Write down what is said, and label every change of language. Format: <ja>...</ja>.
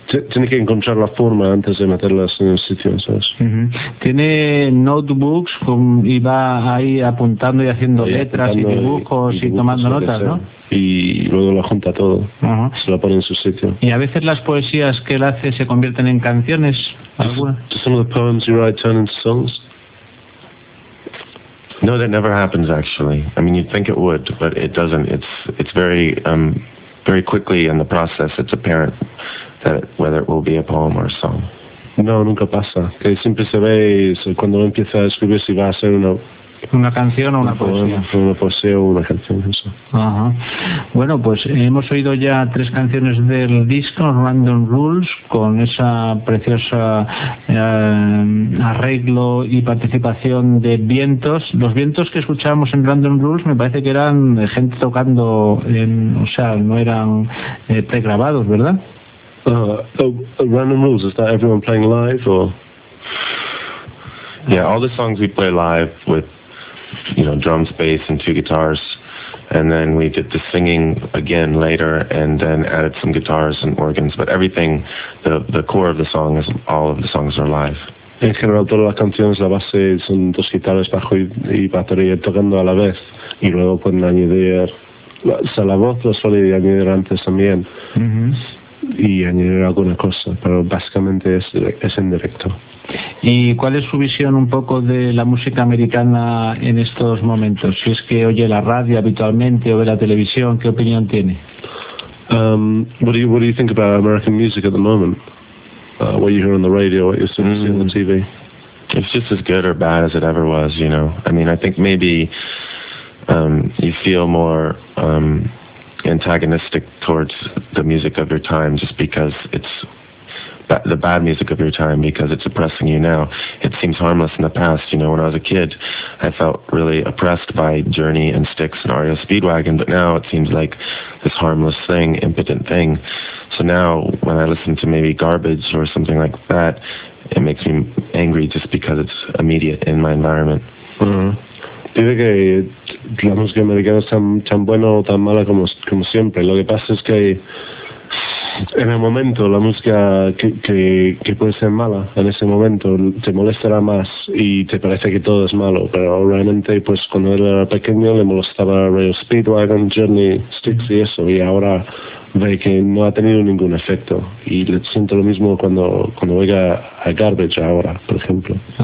<es>Tiene que encontrar la forma antes de meterlas en el sitio, ¿sabes? Uh-huh. Tiene notebooks con, y va ahí apuntando y haciendo ahí letras y dibujos y tomando notas, ¿no? Y luego la junta todo, uh-huh. Se la pone en su sitio. ¿Y a veces las poesías que él hace se convierten en canciones?</es> <en>Do some of the poems you write turn into songs? No, that never happens, actually. I mean, you'd think it would, but it doesn't. It's very quickly in the process, it's apparent. whether it will be a poem or a song.</en> <es>No, nunca pasa. Que siempre sabéis cuando uno empieza a escribir si va a ser una... ¿Una canción o una poesía? Una poesía o una canción, eso. Ajá. Bueno, pues hemos oído ya tres canciones del disco, Random Rules, con esa preciosa arreglo y participación de vientos. Los vientos que escuchábamos en Random Rules me parece que eran gente tocando, no eran pregrabados, ¿verdad?</es> <en>Random Rules, ¿es that everyone playing live? Or... Yeah, all the songs we play live with. You know, drums, bass, and two guitars, and then we did the singing again later, and then added some guitars and organs. But everything, the core of the song is all of the songs are live.</en> <es>En general, todas las canciones, la base son dos guitarras, bajo y batería tocando a la vez, y luego pueden añadir la voz, la solo y añadir antes también, y añadir alguna cosa. Pero básicamente es en directo. ¿Y cuál es su visión un poco de la música americana en estos momentos? Si es que oye la radio habitualmente o ve la televisión, ¿qué opinión tiene?</es> <en>What do you think about American music at the moment? What you hear on the radio, what you see on the TV? It's just as good or bad as it ever was, you know. I mean, I think maybe you feel more antagonistic towards the music of your time just because it's the bad music of your time, because it's oppressing you now. It seems harmless in the past. You know, when I was a kid, I felt really oppressed by Journey and Styx and REO Speedwagon, but now it seems like this harmless thing, impotent thing. So now when I listen to maybe garbage or something like that, it makes me angry just because it's immediate in my environment.</en> <es>Dice que la música americana es tan buena o tan mala como siempre. Lo que pasa es que en el momento la música que puede ser mala en ese momento te molestará más y te parece que todo es malo, pero realmente pues cuando él era pequeño le molestaba Rail Speedwagon, Journey, Styx y eso, y ahora ve que no ha tenido ningún efecto, y le siento lo mismo cuando oiga a Garbage ahora, por ejemplo.</es>